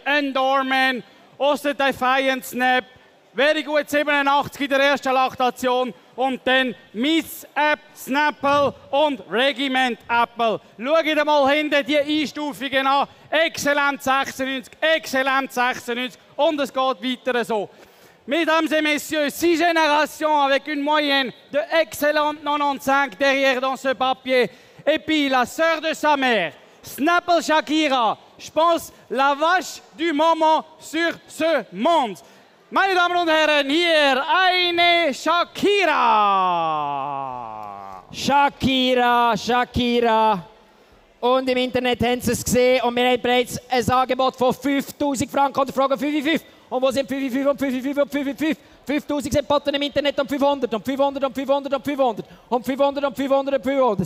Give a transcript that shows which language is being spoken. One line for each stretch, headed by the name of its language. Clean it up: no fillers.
German: Ein Doorman aus der Defiant Snap. Very good, 87 in der ersten Laktation und dann Miss App, Snapple und Regiment Apple. Schaut mal hinten die Einstufungen an. Exzellent 96, exzellent 96 und es geht weiter so.
French: Mesdames et Messieurs, 6 générations avec une moyenne de excellente 95 derrière dans ce papier. Et puis la sœur de sa mère, Snapple Shakira, je pense, la vache du moment sur ce monde.
German: Meine Damen und Herren, hier eine Shakira. Shakira, Shakira. Und im Internet haben sie es gesehen und wir haben bereits ein Angebot von 5'000 Franken und fragen 5'5. Und wo sind 5'5 und 5'5 und 5'5? 5'000 sind Button im Internet und 500 und 500 und 500 und 500 und 500 und 500 und 500.